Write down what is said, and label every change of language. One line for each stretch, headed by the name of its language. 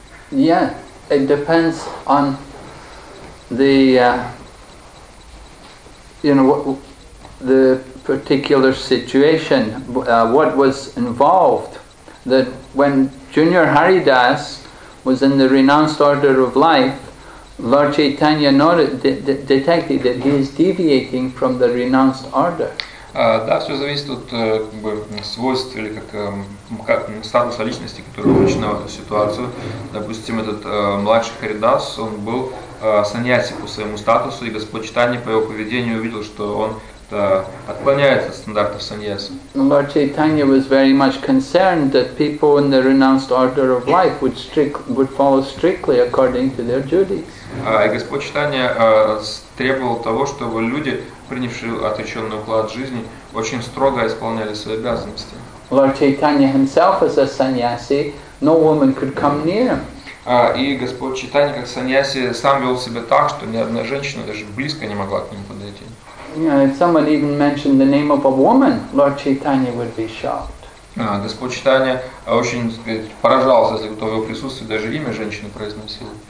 English: Yeah, it depends on the you know, what the particular situation, what was involved. That when Junior Haridas was in the renounced order of life, Lord Chaitanya noted, detected that he is deviating from the renounced order.
Russian: Да, все зависит от как бы, свойств или как статуса личности, который начинал эту ситуацию. Допустим, этот младший Харидас, он был саньяси по своему статусу, и Господь Чайтанья по его поведению увидел, что он отклоняется от стандартов саньяси.
English: Lord Chaitanya was very much concerned that people in the renounced order of life would follow strictly according to their duties.
Russian: И Господь Чайтанья требовал того, чтобы люди, принявшие отреченный уклад жизни, очень строго исполняли свои обязанности.
English: Lord Chaitanya himself as a sannyasi, no woman could come near him.
Russian: И Господь Чайтанья как саньяси сам вел себя так, что ни одна женщина даже близко не могла к нему подойти.
English: If someone even mentioned the name of a woman, Lord Chaitanya would be shocked.
Russian: Господь Чайтанья очень, сказать, поражался, если кто в его присутствии даже имя женщины произносил.